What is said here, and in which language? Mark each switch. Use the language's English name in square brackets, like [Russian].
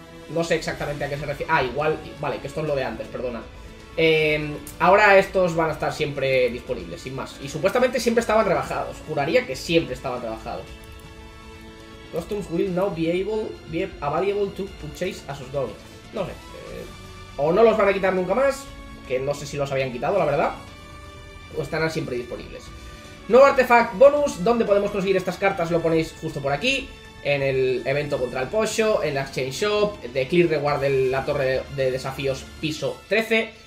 [Spanish] No sé exactamente a qué se refiere. Ah, igual, vale, que esto es lo de antes, perdona. Ahora estos van a estar siempre disponibles, sin más. Y supuestamente siempre estaban rebajados. Juraría que siempre estaban rebajados. [English] Costumes will now be available to purchase as of now. [Spanish] No sé. O no los van a quitar nunca más. Que no sé si los habían quitado, la verdad. O estarán siempre disponibles. Nuevo artefact bonus. ¿Dónde podemos conseguir estas cartas? Lo ponéis justo por aquí. En el evento contra el Pocho. En la Exchange Shop. De Clear Reward de la Torre de Desafíos Piso 13.